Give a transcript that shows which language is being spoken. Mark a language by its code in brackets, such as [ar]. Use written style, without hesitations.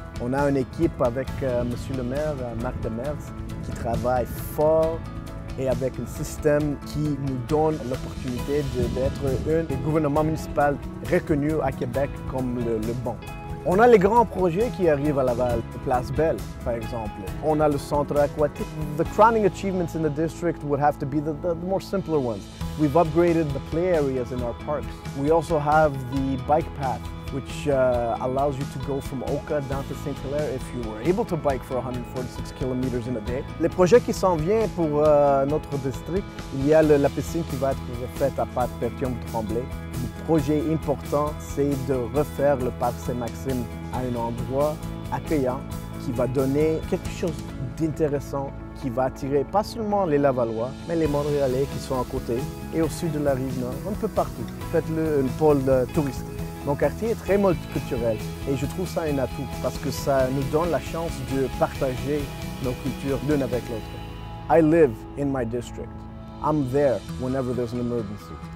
[fr] On a une équipe avec M. le maire, Marc Demers, qui travaille fort et avec un système qui nous donne l'opportunité d'être un des gouvernements municipaux reconnus à Québec comme le bon. On a les grands projets qui arrivent à Laval, Place Belle, par exemple. On a le centre aquatique. [en] The crowning achievements in the district would have to be the more simpler ones. We've upgraded the play areas in our parks. We also have the bike path, which allows you to go from Oka down to St. Hilaire if you were able to bike for 146 kilometers in a day. [fr] Les projets qui s'en viennent pour notre district, il y a la piscine qui va être faite à Pat Pertium-Tremblay. Le projet important, c'est de refaire le parc Saint-Maxime à un endroit accueillant qui va donner quelque chose d'intéressant qui va attirer pas seulement les Lavallois, mais les Montréalais qui sont à côté et au sud de la Rive-Nord, un peu partout. Faites-le un pôle touristique. Mon quartier est très multiculturel et je trouve ça un atout parce que ça nous donne la chance de partager nos cultures l'une avec l'autre. [en] I live in my district. I'm there whenever there's an emergency.